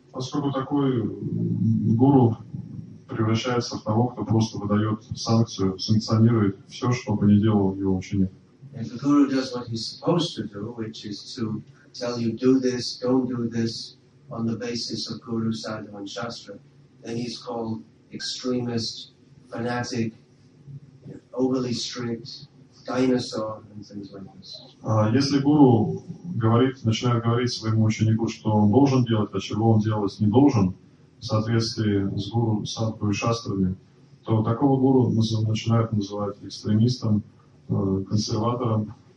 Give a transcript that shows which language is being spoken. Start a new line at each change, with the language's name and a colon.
Russian: Поскольку такой гуру превращается в того, кто просто выдает санкцию, санкционирует все, что бы ни делал его ученик.
English: If the guru does what he's supposed to do, which is to tell you do this, don't do this, on the basis of guru, sadhu, and shastra, then he's called extremist, fanatic, overly strict, dinosaur, and things like this.
Russian: Если гуру начинает говорить своему ученику, что он должен делать, а чего он делать не должен, в соответствии с гуру, садху и шастрами, то такого гуру начинают называть экстремистом, консерватором,